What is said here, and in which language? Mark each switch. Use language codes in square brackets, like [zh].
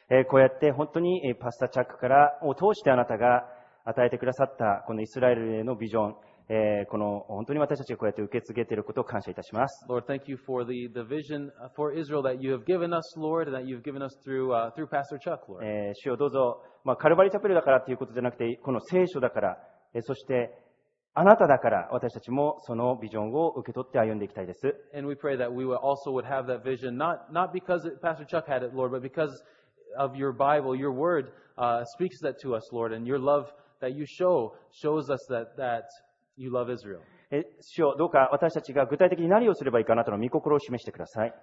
[ja] こうやって本当にパスタチャックからを通してあなたが与えてくださったこのイスラエルへのビジョン。この本当に私たちがこうやって受け継げていることを感謝いたします。 [en] Lord, thank you for the vision for Israel that you have given us, Lord, and that you've given us through Pastor Chuck, Lord. [ja] 主よどうぞ、まあ、カルバリチャペルだからということじゃなくて、この聖書だから、そしてあなただから私たちもそのビジョンを受け取って歩んでいきたいです。 [en] And we pray that we also would have that vision, not because Pastor Chuck had it, Lord, but because of your Bible, your word, speaks that to us, Lord, and your love that you show shows us that. You love Israel. [ja] 主よどうか私たちが具体的に何をすればいいかあなたの御心を示してください。